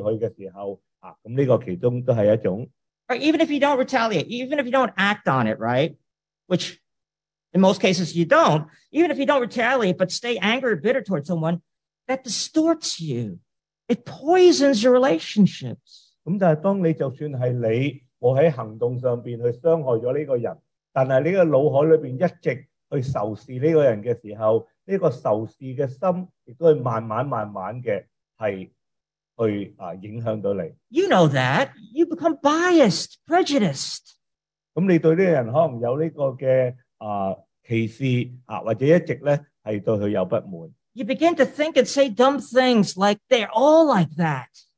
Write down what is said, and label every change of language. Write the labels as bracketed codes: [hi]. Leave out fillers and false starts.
[yue] 咁第一就话你如果一个人系得罪咗你，你继续咁去嬲佢，你一直都系带住一个仇恨嘅心态对住佢嘅时候，咁呢个其中都系一种。 [en] Or even if you don't retaliate, even if you don't act on it, right? Which in most cases you don't. Even if you don't retaliate, but stay angry or bitter towards someone, that distorts you. It poisons your relationships. [yue] 咁但系当你就算系你，我喺行动上边去伤害咗呢个人，但系你嘅脑海里边一直去仇视呢个人嘅时候，呢个仇视嘅心亦都系慢慢慢慢嘅系去影响到你。 [en] You know that. You become biased, prejudiced. [yue] 咁你对呢个人可能有呢个嘅歧视，或者一直咧系对佢有不满。 [en] You begin to think and say dumb things like they're all like that.